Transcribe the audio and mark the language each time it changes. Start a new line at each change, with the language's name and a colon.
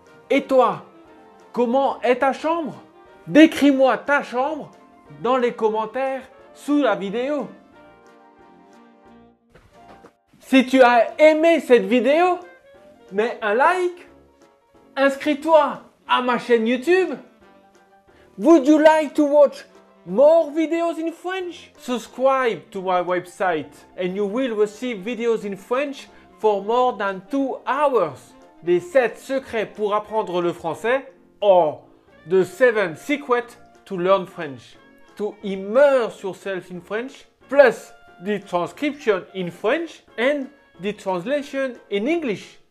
French: Et toi, comment est ta chambre? Décris-moi ta chambre dans les commentaires sous la vidéo. Si tu as aimé cette vidéo, mets un like, inscris-toi à ma chaîne YouTube.
English: Would you like to watch more videos in French? Subscribe to my website and you will receive videos in French for more than 2 hours.
French: Les 7 secrets pour apprendre le français
English: or the 7 secrets to learn French. To immerse yourself in French plus the transcription in French and the translation in English.